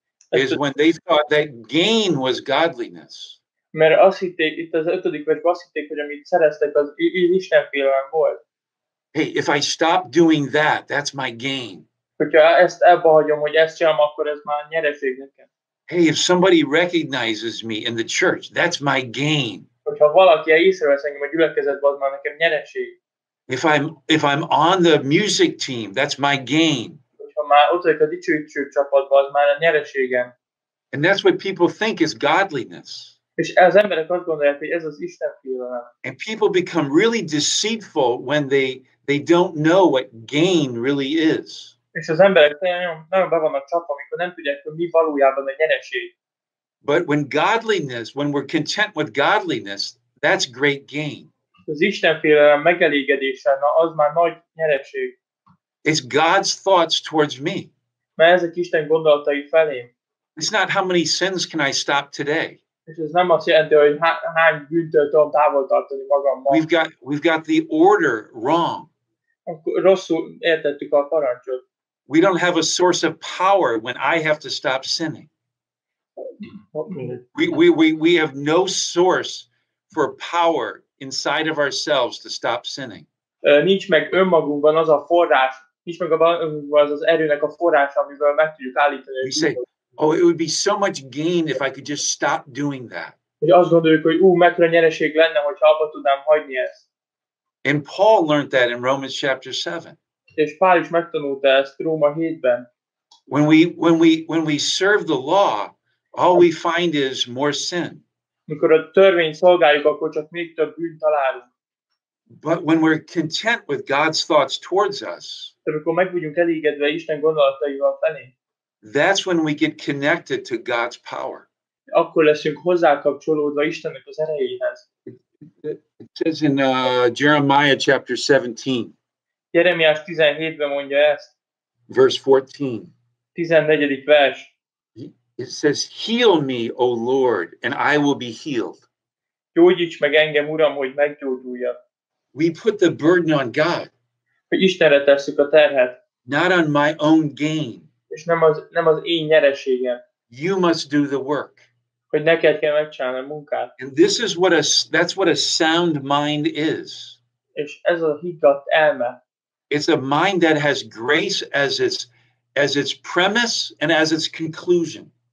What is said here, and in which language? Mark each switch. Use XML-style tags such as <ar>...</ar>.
<en>Is when they thought that gain was godliness.</en> <hu>Mert azt hitték, itt az ötödik versben azt hitték, hogy amit szereztek, az Istenfélel volt.</hu> <en>Hey, if I stop doing that, that's my gain.</en> <hu>Hogyha ezt ebbe hagyom, hogy ezt csinálom, akkor ez már nyereség nekem.</hu> <en>Hey, if somebody recognizes me in the church, that's my gain.</en> <hu>Hogyha valaki észrevesz engem a gyülekezetben, az már nekem nyereség.</hu> <en>If I'm on the music team, that's my gain.</en> <hu>Hogyha már ott vagyok a dicsőítő csapatban, az már a nyereségem.</hu> <en>And that's what people think is godliness.</en> <hu>És az emberek azt gondolják, hogy ez az Istenfélelem.</hu> <en>And people become really deceitful when they don't know what gain really is.</en> <hu>És az emberek nagyon be vannak csapva, amikor nem tudják, hogy mi valójában a nyereség.</hu> <en>But when godliness, when we're content with godliness, that's great gain.</en> <hu>Az Istenfélelem megelégedése, na az már nagy nyereség.</hu> <en>It's God's thoughts towards me.</en> <hu>Mert ezek Isten gondolatai felém.</hu> <en>It's not how many sins can I stop today.</en> <hu>És ez nem azt jelenti, hogy hány bűntől tudom távol tartani magammal.</hu> <en>We've got the order wrong.</en> <hu>Rosszul értettük a parancsot.</hu> <en>We don't have a source of power when I have to stop sinning. We have no source for power inside of ourselves to stop sinning.</en> <hu>Nincs meg önmagunkban az a forrás, nincs meg az erőnek a forrása, amivel meg tudjuk állítani.</hu> <en>We say, oh, it would be so much gain if I could just stop doing that.</en> <hu>Hogy azt gondoljuk, hogy mekkora nyereség lenne, hogyha abba tudnám hagyni ezt.</hu> <en>And Paul learned that in Romans chapter 7.</en> <hu>És Pál is megtanulta ezt Róma 7-ben.</hu> <en>When we serve the law, all we find is more sin.</en> <hu>Mikor a törvényt szolgáljuk, akkor csak még több bűnt találunk.</hu> <en>But when we're content with God's thoughts towards us,</en> <hu>amikor meg vagyunk elégedve Isten gondolataival felé,</hu> <en>that's when we get connected to God's power.</en> <hu>Akkor leszünk hozzákapcsolódva Istennek az erejéhez.</hu> <en>It says in Jeremiah chapter 17.</en> <hu>Jeremiás 17-ben mondja ezt.</hu> <en>Verse 14.</en> <hu>14. vers.</hu> <en>It says, heal me, O Lord, and I will be healed.</en> <hu>Gyógyíts meg engem, Uram, hogy meggyógyuljak.</hu> <en>We put the burden on God.</en> <hu>Istenre tesszük a terhet.</hu> <en>Not on my own gain.</en> <hu>És nem az én nyereségem.</hu> <en>You must do the work.</en> <hu>Hogy neked kell megcsinálni a munkát.</hu> <en>And this is what a sound mind is.</en> <hu>És ez a higgadt elme.</hu> <en>It's a mind that has grace as its premise and as its conclusion.</en>